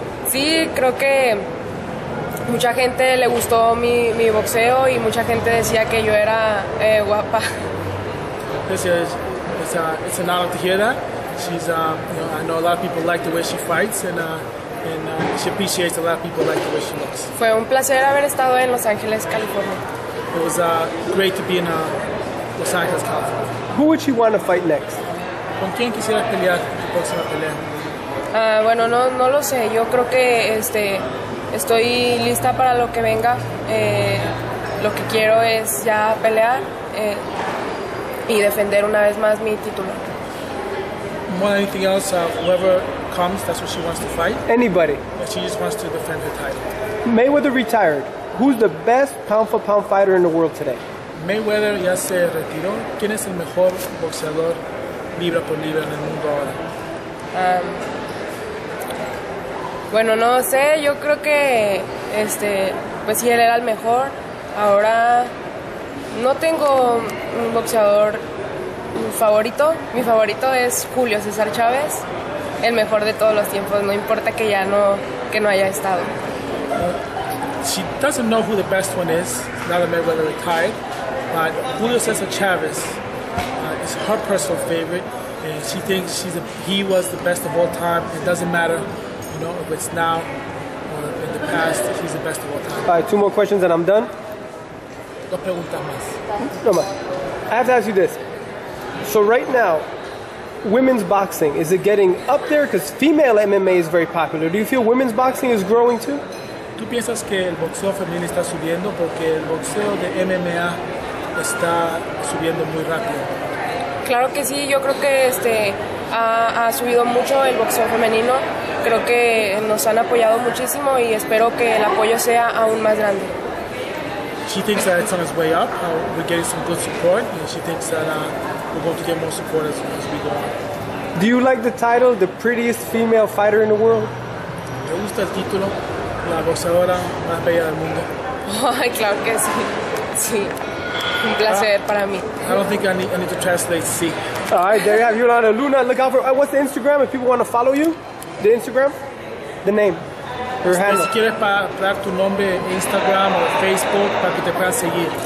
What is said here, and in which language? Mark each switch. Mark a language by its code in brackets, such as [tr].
[es] Sí, creo que mucha gente le gustó mi boxeo y mucha gente decía que yo era guapa. [en] It's an honor to hear that. She's, I know a lot of people like the way she fights, and she appreciates a lot of people like the way she looks. [es] Fue un placer haber estado en Los Ángeles, California. [en] It was great to be in Los Ángeles, California. Who would she want to fight next? [es] ¿Con quién quisiera pelear tu próxima pelea? Bueno, no lo sé. Yo creo que estoy lista para lo que venga. Lo que quiero es ya pelear y defender una vez más mi título. [en] More than anything else, whoever comes, that's what she wants to fight. Anybody. But she just wants to defend her title. Mayweather retired. Who's the best pound-for-pound fighter in the world today? [es] Mayweather ya se retiró. ¿Quién es el mejor boxeador libra por libra en el mundo ahora? Bueno, no sé, yo creo que, pues sí, él era el mejor. Ahora, no tengo un boxeador favorito. Mi favorito es Julio Cesar Chavez, el mejor de todos los tiempos, no importa que ya no haya estado. [en] She doesn't know who the best one is, now that Mayweather retired, but Julio Cesar Chavez is her personal favorite, and she thinks he was the best of all time. It doesn't matter. No, if it's now or in the past, he's the best of all time. All right, two more questions and I'm done. [es] No preguntas más. [en] No más. I have to ask you this. So right now, women's boxing, is it getting up there? Because female MMA is very popular. Do you feel women's boxing is growing too? [es] ¿Tú piensas que el boxeo femenino está subiendo? Porque el boxeo de MMA está subiendo muy rápido. Claro que sí. Yo creo que ha subido mucho el boxeo femenino. Creo que nos han apoyado muchísimo y espero que el apoyo sea aún más grande. [en] She thinks that it's on its way up. We're getting some good support, and she thinks that we're going to get more support as we go on. Do you like the title, the prettiest female fighter in the world? [es] Me gusta el título, la boxeadora más bella del mundo. Claro que sí. Sí. Un placer para mí. [en] I don't think I need to translate. Sí. All right, there you have Yulihan Luna. Look out for what's the Instagram if people want to follow you? The Instagram? The name? Your handle? [es] Si quieres para tu nombre en Instagram o Facebook para que te puedas seguir.